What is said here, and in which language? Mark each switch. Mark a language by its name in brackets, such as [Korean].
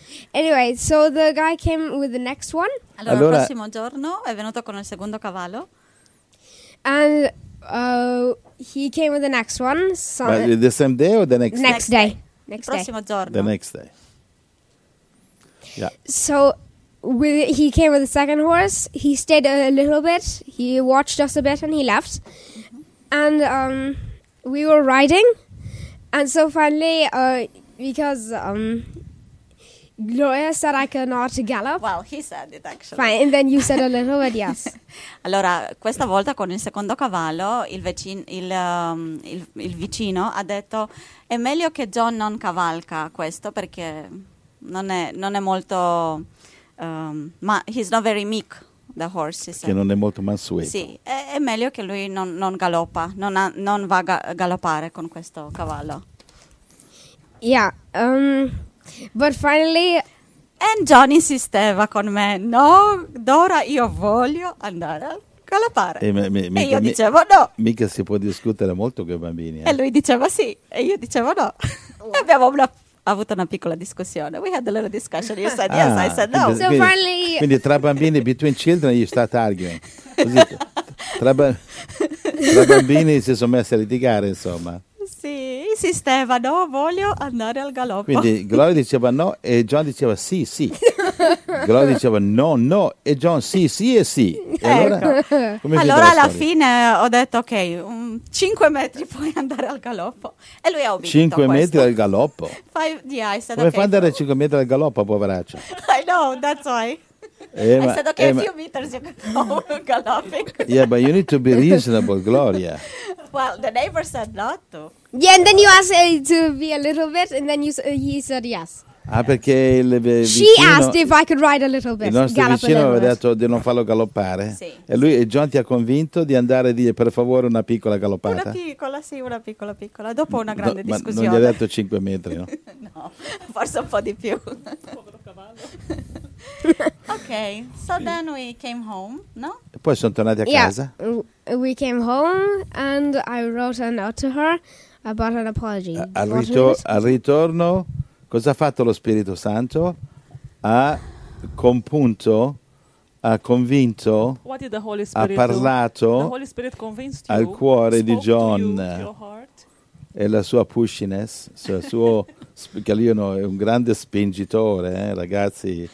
[English] Anyway, so the guy came with the next one. [Italian] Allora, il prossimo giorno è venuto con il secondo cavallo. [English] And he came with the next one. So the same day or the next day? Next day. Prossimo giorno. The next day. Yeah. So with he came with the second horse. He stayed a little bit. He watched us a bit and he left. Mm-hmm. And we were riding. And so finally, because Gloria said I cannot gallop. Well, he said it actually. Fine, and then you said a little bit, yes. [Italian] Allora, questa volta con il secondo cavallo, il vicino ha detto è meglio che John non cavalca questo perché non è molto... [English] ma he's not very meek, the horse. [Italian] Che non è molto mansueto. Sì, è meglio che lui non galoppa, non va a galoppare con questo cavallo. [English] Yeah, but finally... [Italian] And John insisteva con me, no, Dora, io voglio andare a galoppare. E io dicevo no. Mica si può discutere molto con i bambini. E lui diceva sì, e io dicevo no. [English] Wow. [Italian] Abbiamo avuto una piccola discussione. [English] We had a little discussion. You said yes, I said no. So finally... [Italian] Quindi tra bambini, [English] between children, you start arguing. [Italian] Così, tra bambini si sono messi a litigare, insomma. Sì, insisteva, no, voglio andare al galoppo. Quindi Gloria diceva no e John diceva sì, sì. Gloria diceva no, no e John sì, sì e sì. E allora alla fine ho detto ok, 5 metri puoi andare al galoppo. E lui ha obbedito. 5 metri al galoppo? [English] Yeah, [Italian] come [English] okay, [Italian] fai andare 5 metri al galoppo, poveraccio? [English] I know, that's why. Emma, I said okay, Emma, a few meters you can go galloping. Yeah, but you need to be reasonable, Gloria. Well, the neighbor said not to. Yeah, and then you asked to be a little bit, and then he said yes. [Italian] Ah, perché il vicino, [English] she asked if I could ride a little bit. [Italian] Il nostro vicino aveva detto di non farlo galoppare. Sì. E lui e John ti ha convinto di andare a dire per favore una piccola galoppata. Una piccola, sì, una piccola piccola. Dopo una grande ma discussione. Non gli ha detto 5 metri, no? No, forse un po' di più. Povero [English] cavallo. Ok, so then we came home, no? [Italian] E poi sono tornati a casa. [English] We came home and I wrote a note to her about an apology. [Italian] Al ritorno, cosa ha fatto lo Spirito Santo? Ha compunto, ha convinto, [English] what did the Holy Spirit [Italian] ha parlato [English] the Holy Spirit convinced you, [Italian] al cuore di John [English] to you, [Italian] e la sua pushiness, cioè il suo, che lui è un grande spingitore, ragazzi,